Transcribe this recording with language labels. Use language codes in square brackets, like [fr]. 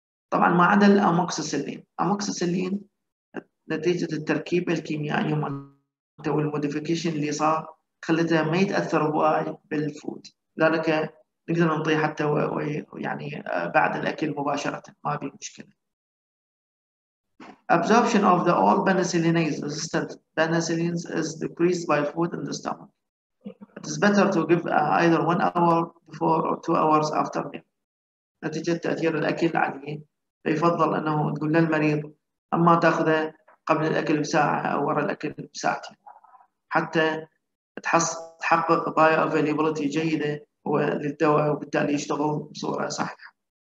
[ar] طبعا ما عدا الاموكسيسيلين، الاموكسيسيلين نتيجه التركيبه الكيميائيه مالته والموديفيكيشن اللي صار خلته ما يتاثر وايد بالفود، لذلك نقدر نعطيه حتى يعني بعد الاكل مباشره ما في مشكله. [en] Absorption of the all penicillinase resistant penicillins is decreased by food in the stomach. It is better to give either 1 hour before or 2 hours after meal. [ar] نتيجة تأثير الأكل عليه، فيفضل أنه تقول للمريض أما تأخذه قبل الأكل بساعة أو وراء الأكل بساعتين حتى تحقق bioavailability جيدة للدواء وبالتالي يشتغل بصورة صحيحة.